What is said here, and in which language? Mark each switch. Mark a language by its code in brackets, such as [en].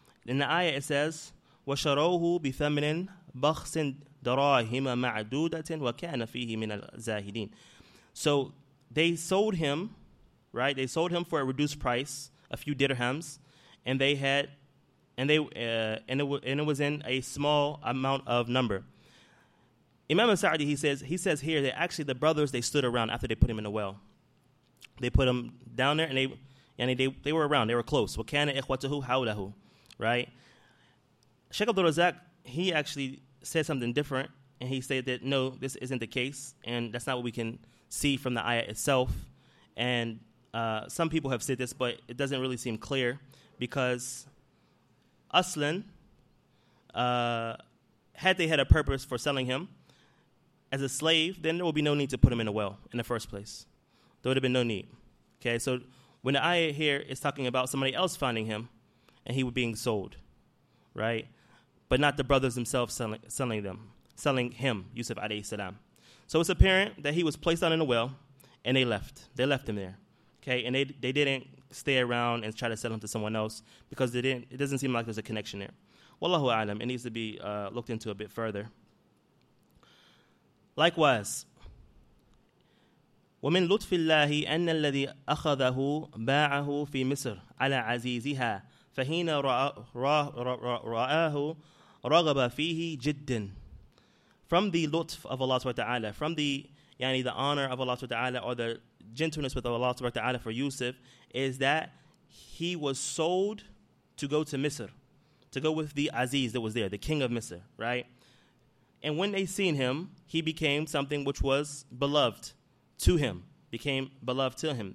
[en] In the ayah it says, [ar] وَشَرَوْهُ بِثَمْنٍ بَخْسٍ دَرَاهِمَ مَعْدُودَةٍ وَكَانَ فِيهِ مِنَ الزَّاهِدِينَ. [en] So they sold him, right? They sold him for a reduced price, a few dirhams, and they had, and it was in a small amount of number. Imam Sa'di, he says here that actually the brothers, they stood around after they put him in the well. They put him down there, and they were around. They were close. [ar] وَكَانَ إِخْوَتُهُ حَوْلَهُ, [en] right? Sheikh Abdul Razak, he actually said something different, and he said that, no, this isn't the case, and that's not what we can see from the ayah itself. And some people have said this, but it doesn't really seem clear, because Aslan, had they had a purpose for selling him as a slave, then there would be no need to put him in a well in the first place. There would have been no need. Okay, so when the ayah here is talking about somebody else finding him, and he was being sold, right? But not the brothers themselves selling him, Yusuf alayhi salam. So it's apparent that he was placed down in a well, and they left. They left him there, okay? And they didn't stay around and try to sell him to someone else, because it doesn't seem like there's a connection there. Wallahu alam, it needs to be looked into a bit further. Likewise, [ar] وَمِنْ لُطْفِ اللَّهِ أَنَّ الَّذِي أَخَذَهُ بَاعَهُ فِي مِصْرِ عَلَى عَزِيزِهَا فَهِينَ رَآهُ رَغَبَ فِيهِ جِدٍ. [en] From the lutf of Allah subhanahu wa ta'ala, from the honor of Allah subhanahu wa ta'ala, or the gentleness with Allah subhanahu wa ta'ala for Yusuf, is that he was sold to go to Misr, to go with the Aziz that was there, the king of Misr, right? And when they seen him, he became something which was beloved to him, became beloved to him.